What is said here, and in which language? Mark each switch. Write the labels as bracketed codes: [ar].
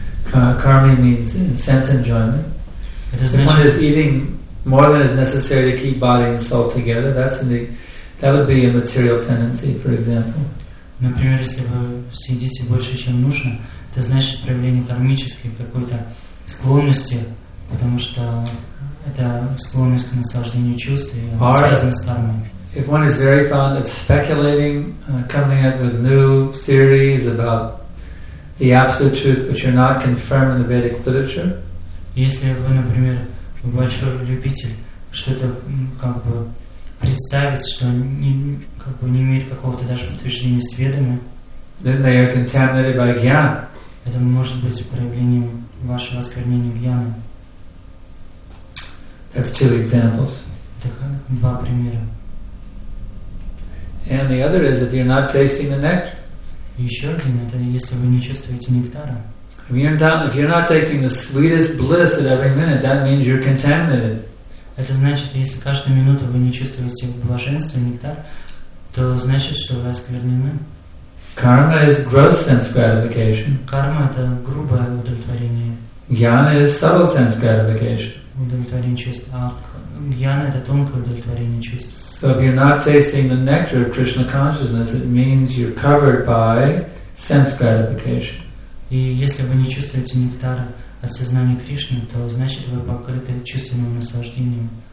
[en] Karma means sense enjoyment. If one is eating more than is necessary to keep body and soul together, that would be a material tendency, for example. [ru] Например, если вы съедите больше, чем нужно, это значит проявление кармической какой-то склонности, потому что это склонность к наслаждению чувств, и она связана с кармой. [en] If one is very fond of speculating, coming up with new theories about the absolute truth, which are not confirmed in the Vedic literature. [ru] Если вы, например, большой любитель что-то как бы представить, что не имеет какого-то даже подтверждения с ведами, [en] then they are contaminated by gyan. [ru] Это может быть проявлением вашего осквернения гьяны. [en] That's two examples. [ru] Два примера. [en] And the other is if you're not tasting the nectar. [ru] Еще один, это если вы не чувствуете нектара. [en] If you're not taking the sweetest bliss at every minute, that means you're contaminated. [ru] Это значит, если каждую минуту вы не чувствуете блаженство, нектар, то значит, что вы осквернены. [en] Karma is gross sense gratification. [ru] Карма – это грубое удовлетворение. [en] Jnana is subtle sense gratification. [ru] Удовлетворение чувств. А jnana – это тонкое удовлетворение чувств. [en] So if you're not tasting the nectar of Krishna consciousness, it means you're covered by sense gratification. [ru] И если вы не чувствуете нектара от сознания Кришны, то значит вы покрыты чувственным наслаждением.